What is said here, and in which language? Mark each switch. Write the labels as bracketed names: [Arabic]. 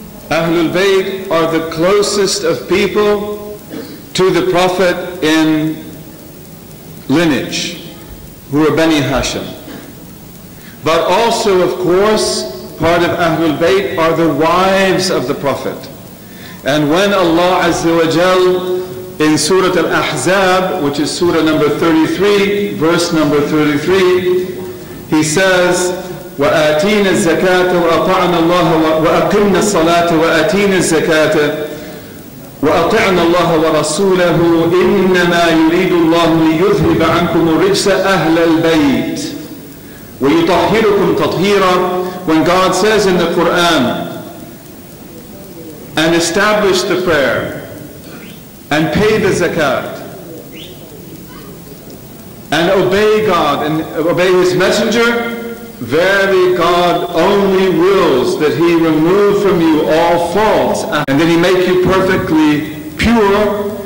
[English] Ahlul Bayt are the closest of people to the Prophet in lineage, who are Bani Hashim. But also, of course, part of Ahlul Bayt are the wives of the Prophet. And when Allah Azza wa Jal in Surah Al-Ahzab, which is Surah number 33, verse number 33, He says, [Arabic] وَآتِينَ الزَّكَاةَ وَأَطَعْنَ اللَّهَ وَأَقِمْنَ الصَّلَاةَ وَآتِينَ الزَّكَاةَ وَأَطِعْنَ اللَّهَ وَرَسُولَهُ إِنَّمَا يُرِيدُ اللَّهُ لِيُذْهِبَ عَنْكُمُ الرِّجْسَ أَهْلَ الْبَيْتِ وَيُطَهِّرُكُمْ تَطْهِيرًا. [English] When God says in the Quran, and establish the prayer, and pay the zakat, and obey God, and obey His Messenger, verily God only wills that He remove from you all faults, and that He make you perfectly pure.